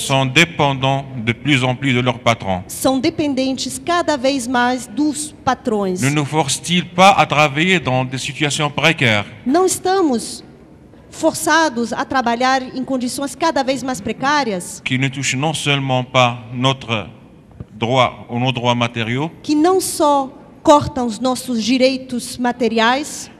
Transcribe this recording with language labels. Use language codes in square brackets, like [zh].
[fr] sont dépendants de plus en plus de leurs patrons. [pt] São dependentes cada vez mais dos patrões. [fr] Ne nous force-t-il pas à travailler dans des situations précaires? [pt] Não estamos forçados a trabalhar em condições cada vez mais precárias? [fr] Qui ne touche non seulement pas notre droit ou nos droits matériaux? [pt] Que não só cortam os nossos direitos materiais,